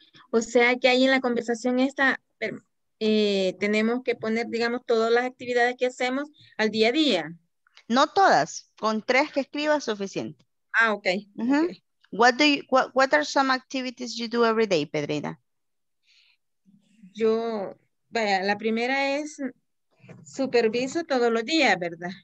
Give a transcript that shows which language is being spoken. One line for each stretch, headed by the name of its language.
Spanish: O sea que ahí en la conversación esta, tenemos que poner, digamos, todas las actividades que hacemos al día a día. No todas. Con tres que escriba es suficiente. Ah, ok. Uh-huh.
English: What do you, what are some activities you do every day, Pedrina?
Spanish: Yo... Vaya, la primera es superviso todos los días, ¿verdad?